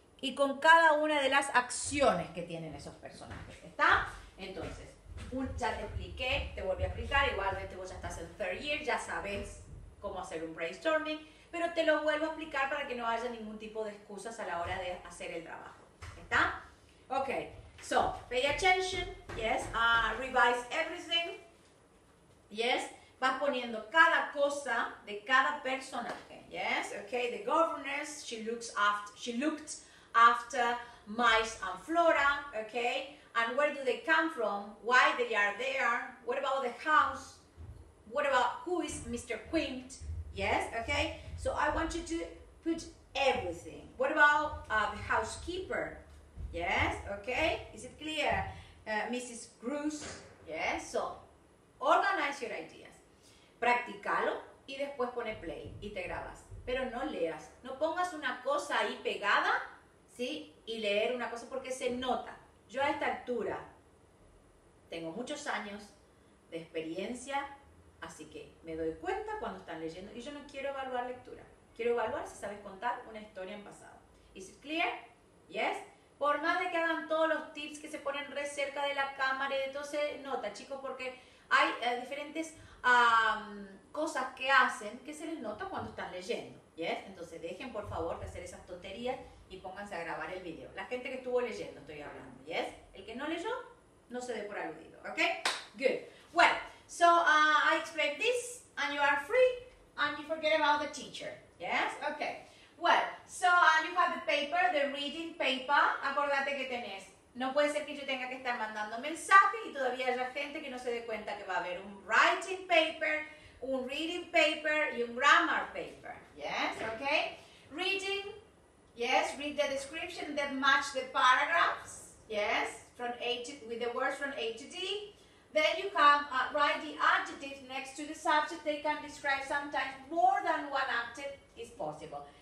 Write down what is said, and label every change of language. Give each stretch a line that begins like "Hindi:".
Spanish: Y con cada una de las acciones que tienen esos personajes, ¿está? Entonces, ya te expliqué, te volví a explicar, igualmente vos ya estás en
English: third year,
Spanish: ya sabes cómo hacer un brainstorming, pero te lo vuelvo a explicar para que no haya ningún tipo de excusas a la hora de hacer el trabajo, ¿está?
English: Ok, so, pay attention, yes, revise everything, yes,
Spanish: vas poniendo cada cosa de cada personaje,
English: yes, okay, the governess, she looked after mice and flora, okay, and where do they come from, why they are there, what about the house, what about who is Mr. Quint, yes, okay, so I want you to put everything, what about the housekeeper, yes, okay, is it clear, Mrs. Cruz, yes, so organize your idea.
Spanish: Practicalo y después pone play y te grabas. Pero no leas, no pongas una cosa ahí pegada, ¿sí? Y leer una cosa porque se nota. Yo a esta altura tengo muchos años de experiencia, así que me doy cuenta cuando están leyendo y yo no quiero evaluar lectura. Quiero evaluar si sabes contar una historia en pasado.
English: ¿Is it clear? ¿Yes?
Spanish: Por más de que hagan todos los tips que se ponen re cerca de la cámara y de todo, se nota, chicos, porque hay diferentes cosas que hacen que se les nota cuando están leyendo,
English: ¿yes?
Spanish: Entonces dejen por favor de hacer esas tonterías y pónganse a grabar el video. La gente que estuvo leyendo, estoy hablando,
English: ¿yes?
Spanish: El que no leyó, no se dé por aludido, ¿ok? Good.
English: Well, so I explained this and you are free and you forget about the teacher, ¿yes? Ok. Well, so you have the paper, the reading paper.
Spanish: Acordate que tenés. No puede ser que yo tenga que estar mandando mensajes y todavía haya gente que no se dé cuenta que va a haber un
English: writing paper, un reading paper y un grammar paper. Yes, okay? Reading, yes, read the description that match the paragraphs, yes, from A to, with the words from A to D. Then you can write the adjective next to the subject. They can describe sometimes more than one adjective is possible.